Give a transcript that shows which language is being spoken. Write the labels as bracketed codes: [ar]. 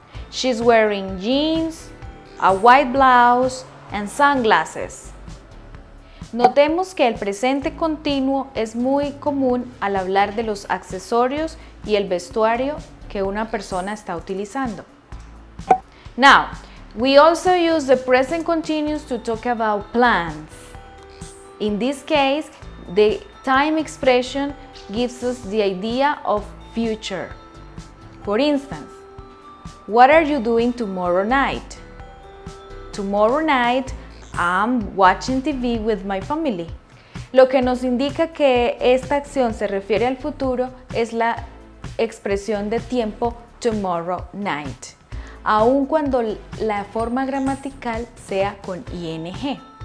[en] She's wearing jeans, a white blouse, and sunglasses. [es] Notemos que el presente continuo es muy común al hablar de los accesorios y el vestuario que una persona está utilizando. [en] Now, we also use the present continuous to talk about plans. In this case, the time expression gives us the idea of future. For instance, what are you doing tomorrow night? Tomorrow night, I'm watching TV with my family. [es] Lo que nos indica que esta acción se refiere al futuro es la expresión de tiempo tomorrow night, aun cuando la forma gramatical sea con ing.